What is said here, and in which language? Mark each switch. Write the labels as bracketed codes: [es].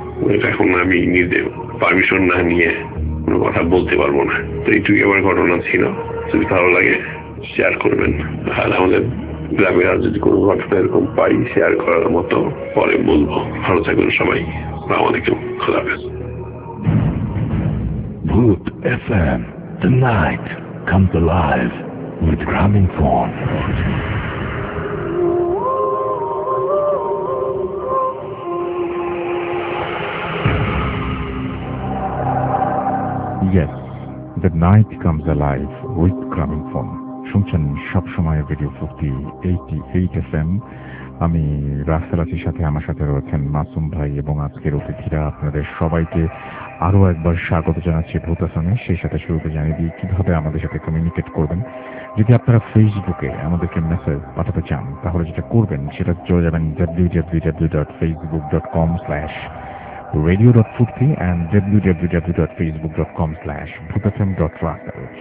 [bn] ওইটা এখন আমি নিজে পারমিশন না নিয়ে কোনো কথা বলতে পারবো না। তো এইটুকু আমার ঘটনা ছিল, যদি ভালো লাগে শেয়ার করবেন। আর আমাদের গ্রামে আর যদি কোনো ঘটনা এরকম পাই শেয়ার করার মতো পরে বলবো। ভালো থাকবেন সবাই, আমাদেরকেও খোলা হবে। [en] Boot FM, the night comes alive with Gramophone. Yes, the night comes alive with Gramophone. [bn] শুনছেন সবসময় রেডিও 88.8 FM। আমি রাসেল আছি, সাথে আমার সাথে রয়েছেন মাসুম ভাই এবং আজকের অতিথিরা। আপনাদের সবাইকে আরও একবার স্বাগত জানাচ্ছি ভূত আসামে। সেই সাথে শুরুতে জানিয়ে দিই কীভাবে আমাদের সাথে কমিউনিকেট করবেন। যদি আপনারা ফেসবুকে আমাদেরকে মেসেজ পাঠাতে চান, তাহলে যেটা করবেন সেটা চলে যাবেন www.facebook.com/radio.phukti and www.facebook.com/bhutafm.rasel।